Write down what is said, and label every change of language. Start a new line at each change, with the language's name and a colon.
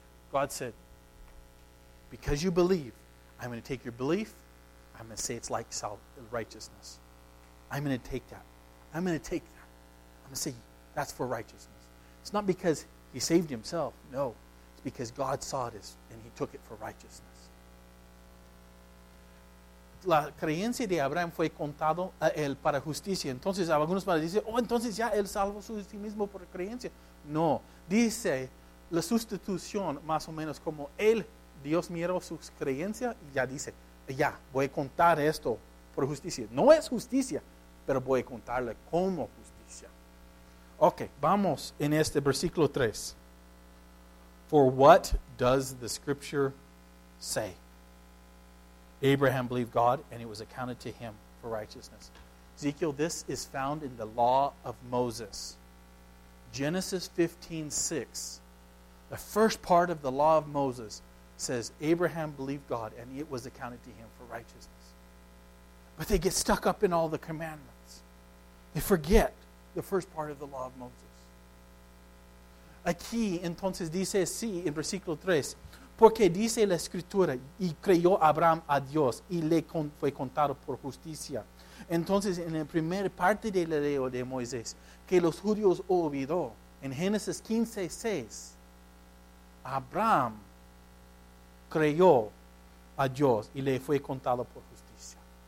English: God said, because you believe, I'm going to take your belief, I'm going to say it's like righteousness. I'm going to take that. I'm going to take that. I'm going to say, that's for righteousness. It's not because he saved himself. No. It's because God saw this and he took it for righteousness.
Spanish: La creencia de Abraham fue contado a él para justicia. Entonces, algunos van a decir, oh, entonces ya él salvó su sí mismo por creencia. No. Dice la sustitución, más o menos, como él, Dios miró su creencia y ya dice, ya, voy a contar esto por justicia. No es justicia, pero voy a contarle como justicia. Ok, vamos en este versículo 3.
English: For what does the scripture say? Abraham believed God, and it was accounted to him for righteousness. Ezekiel, this is found in the law of Moses. Genesis 15:6. The first part of the law of Moses says Abraham believed God and it was accounted to him for righteousness. But they get stuck up in all the commandments. They forget the first part of the law of Moses.
Spanish: Aquí entonces dice sí en versículo 3, porque dice la escritura y creyó Abraham a Dios y le fue contado por justicia. Entonces en la primera parte de la ley de Moisés que los judíos olvidó en Génesis 15:6, Abraham creyó a Dios y le fue contado por justicia.